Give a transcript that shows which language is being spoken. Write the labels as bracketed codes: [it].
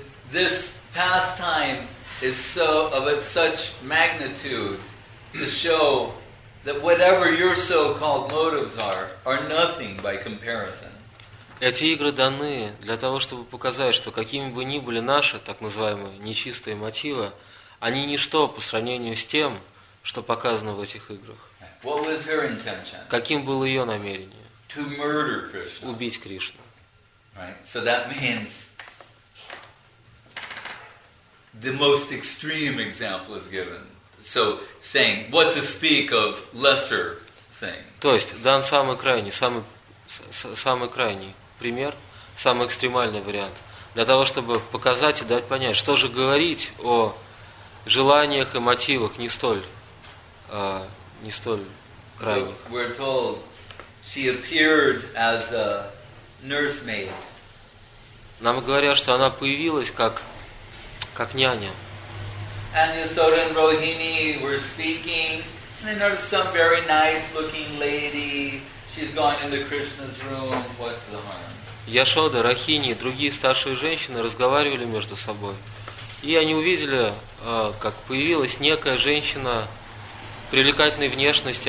[en] This pastime is so of such magnitude to show that whatever your so-called motives are nothing by comparison. [ru] Эти игры даны для того, чтобы показать, что какими бы ни были наши так называемые нечистые мотивы, они ничто по сравнению с тем, что показано в этих играх. [en] What was her intention? [ru] Каким было ее намерение? [en] To murder Krishna. [ru] Убить Кришну. [en] Right. So that means the most extreme example is given. So, saying, what to speak of lesser things. [ru] То есть, дан самый крайний пример, самый экстремальный вариант. для того, чтобы показать и дать понять, что же говорить о желаниях и мотивах не столь крайних. [en] We're told she appeared as a nursemaid. [ru] Нам говорят, что она появилась как няня. [en] And Yasoda and Rohini were speaking, and they noticed some very nice-looking lady. She's gone into Krishna's room. What the harm? [ru] Яшода, Рахини и другие старшие женщины разговаривали между собой. И они увидели, как появилась некая женщина привлекательной внешности.